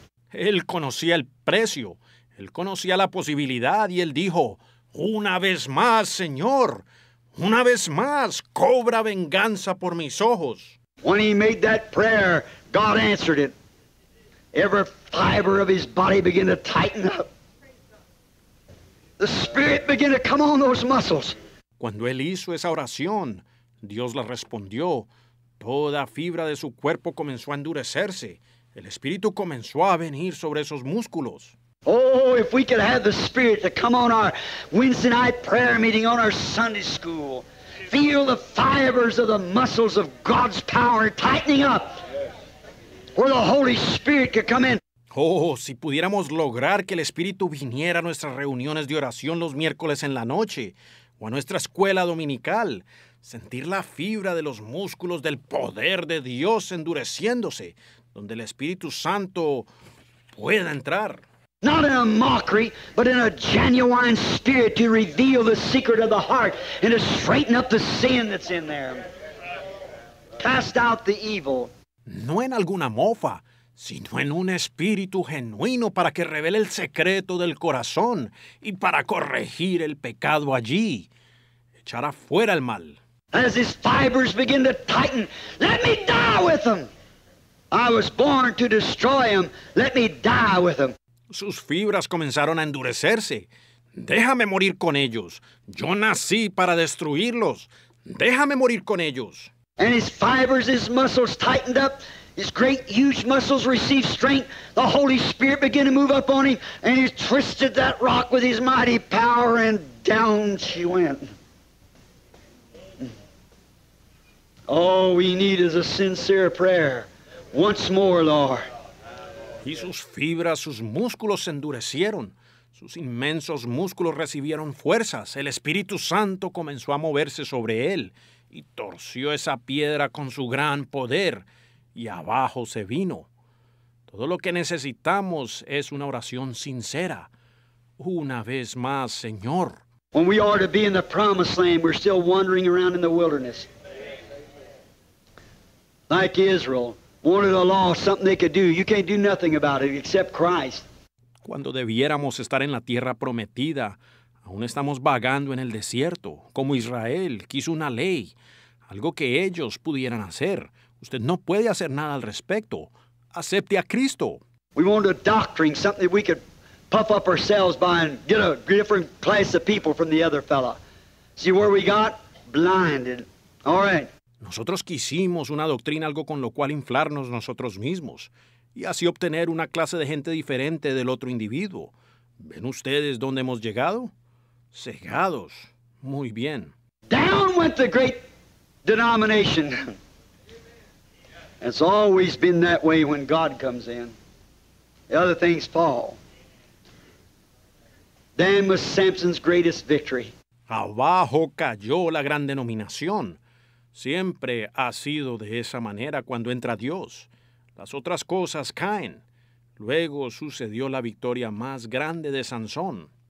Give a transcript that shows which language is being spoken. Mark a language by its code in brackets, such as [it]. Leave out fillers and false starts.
[es] Él conocía el precio, él conocía la posibilidad y él dijo, una vez más, Señor, una vez más, cobra venganza por mis ojos. [en] When he made that prayer, God answered it. Every fiber of his body began to tighten up. The spirit began to come on those muscles. [es] Cuando él hizo esa oración, Dios la respondió. Toda fibra de su cuerpo comenzó a endurecerse. El Espíritu comenzó a venir sobre esos músculos. [en] Oh, if we could have the Spirit to come on our Wednesday night prayer meeting, on our Sunday school, feel the fibers of the muscles of God's power tightening up, where the Holy Spirit could come in. [es] Oh, si pudiéramos lograr que el Espíritu viniera a nuestras reuniones de oración los miércoles en la noche, o a nuestra escuela dominical, sentir la fibra de los músculos del poder de Dios endureciéndose, donde el Espíritu Santo pueda entrar. [en] Not in a mockery, but in a genuine spirit to reveal the secret of the heart and to straighten up the sin that's in there. Cast out the evil. [es] No en alguna mofa, sino en un espíritu genuino para que revele el secreto del corazón y para corregir el pecado allí. Echar afuera el mal. [en] as his fibers begin to tighten. Let me die with him. I was born to destroy him. Let me die with him. [es] Sus fibras comenzaron a endurecerse. Déjame morir con ellos. Yo nací para destruirlos. Déjame morir con ellos. [en] And his fibers, his muscles tightened up. His great, huge muscles received strength. The Holy Spirit began to move up on him, and he twisted that rock with his mighty power, and down she went. All we need is a sincere prayer. Once more, Lord. [es] Y sus fibras, sus músculos se endurecieron. Sus inmensos músculos recibieron fuerzas. El Espíritu Santo comenzó a moverse sobre él y torció esa piedra con su gran poder. Y abajo se vino. Todo lo que necesitamos es una oración sincera. Una vez más, Señor. [en] When we ought to be in the promised land, we're still wandering around in the wilderness. Like Israel, wanted a law, something they could do. You can't do nothing about it except Christ. [es] Cuando debiéramos estar en la tierra prometida, aún estamos vagando en el desierto, como Israel quiso una ley, algo que ellos pudieran hacer. Usted no puede hacer nada al respecto. Acepte a Cristo. [en] We want a doctrine, something that we could puff up ourselves by and get a different class of people from the other fella. See where we got? Blinded. All right. [es] Nosotros quisimos una doctrina, algo con lo cual inflarnos nosotros mismos, y así obtener una clase de gente diferente del otro individuo. ¿Ven ustedes dónde hemos llegado? Cegados. Muy bien. [en] Down went the great denomination. It's always been that way when God comes in. The other things fall. Then was Samson's greatest victory. [es] Abajo cayó la gran denominación. Siempre ha sido de esa manera cuando entra Dios. Las otras cosas caen. Luego sucedió la victoria más grande de Sansón.